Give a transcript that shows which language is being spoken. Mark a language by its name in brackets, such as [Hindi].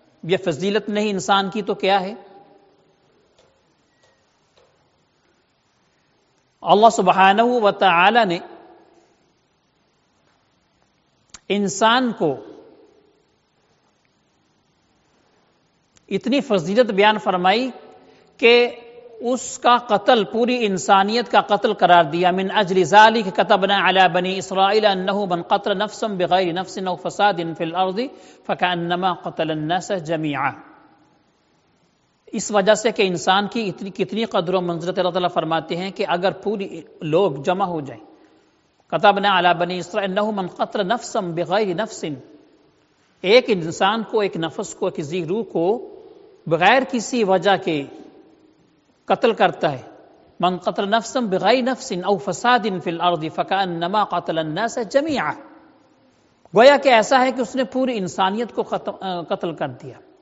[Urdu] یہ فضیلت نہیں انسان کی تو کیا ہے؟ اللہ سبحانہ و تعالی نے انسان کو اتنی فضیلت بیان فرمائی کہ اس کا قتل، پوری انسانیت کا قتل قرار دیا. [Arabic] من اجل ذلك كتبنا على بني اسرائيل انه من قتل نفسا بغير نفس او فساد في الارض فكانما قتل الناس جميعا. [Urdu] اس وجہ سے کہ انسان کی اتنی کتنی قدر و منزلت، اللہ تعالیٰ فرماتے ہیں کہ اگر پوری لوگ جمع ہو جائیں، [Arabic] کتبنا علی بنی اسرائیل انہ من قتل نفسا بغیر نفس، [Urdu] ایک انسان کو، ایک نفس کو، ایک زی روح کو بغیر کسی وجہ کے قتل کرتا ہے، [Arabic] من قتل نفسا بغیر نفس او فساد فی الارض فکانما قتل الناس جميعا، [Urdu] گویا کہ ایسا ہے کہ اس نے پوری انسانیت کو قتل کر دیا.